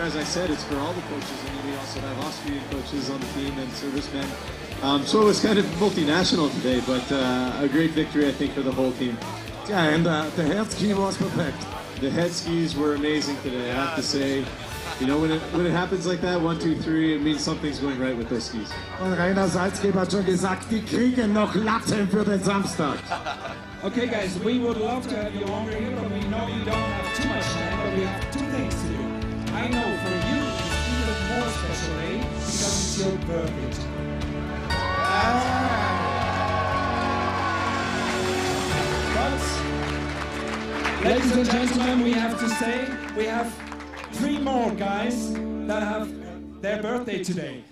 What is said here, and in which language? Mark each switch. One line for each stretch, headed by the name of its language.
English: As I said, it's for all the coaches. And we also have Austrian coaches on the team and servicemen. So it was kind of multinational today, but a great victory, I think, for the whole team. Yeah, and the head ski was perfect. The head skis were amazing today, I have to say. You know, when it happens like that, 1, 2, 3, it means something's going right with those skis.
German: Und Rainer Salzgeber hat schon gesagt, die kriegen noch Latten für den Samstag.
English: Okay, guys, we would love to have you on here, but we know you don't have too much time, but we have two things to do. I know for you, it's even more special, because it's your birthday. But, ladies and gentlemen, we have to say, we have three more guys that have their birthday today.